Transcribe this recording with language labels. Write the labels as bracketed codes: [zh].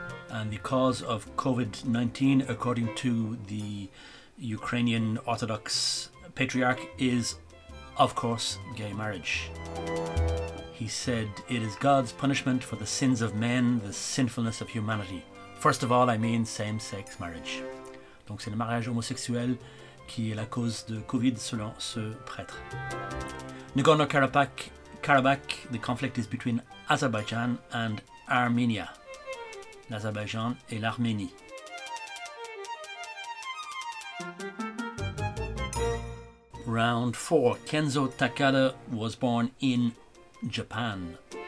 [en] And the cause of COVID-19, according to the Ukrainian Orthodox Patriarch, is, of course, gay marriage. He said, "It is God's punishment for the sins of men, the sinfulness of humanity. First of all, I mean same-sex marriage." [fr] Donc c'est le mariage homosexuel qui est la cause de COVID, selon ce prêtre. [en] Nagorno-Karabakh, the conflict is between Azerbaijan and Armenia. [fr] L'Azerbaïdjan et l'Arménie. [en] Round 4. Kenzo Takada was born in Japan.